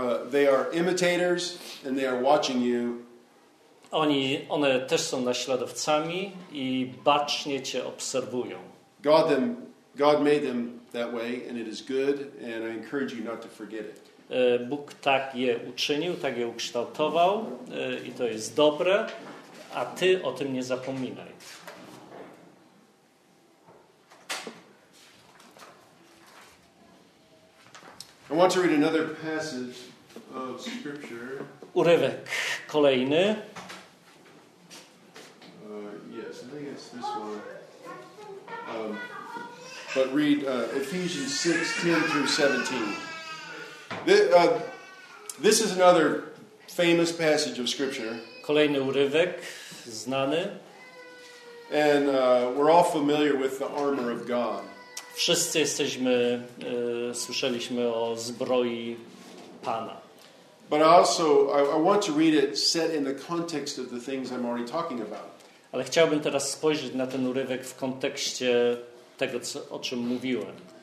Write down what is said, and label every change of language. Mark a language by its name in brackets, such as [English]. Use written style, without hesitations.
[English] They are imitators and they are watching you. [Polish] One też są naśladowcami i bacznie cię obserwują. [English] God made them that way and it is good and I encourage you not to forget it. [Polish] Bóg tak je uczynił, tak je ukształtował i to jest dobre, a ty o tym nie zapominaj. [English] I want to read another passage of scripture. [Polish] Urywek kolejny. [English] Yes, I think it's this one. But read Ephesians 6:10-17. This is another famous passage of scripture. [Polish] Kolejny urywek, znany. [English] And we're all familiar with the armor of God. [Polish] Wszyscy jesteśmy, słyszeliśmy o zbroi Pana. [English] But also, I want to read it set in the context of the things I'm already talking about. [Polish] Ale chciałbym teraz spojrzeć na ten urywek w kontekście tego, o czym mówiłem.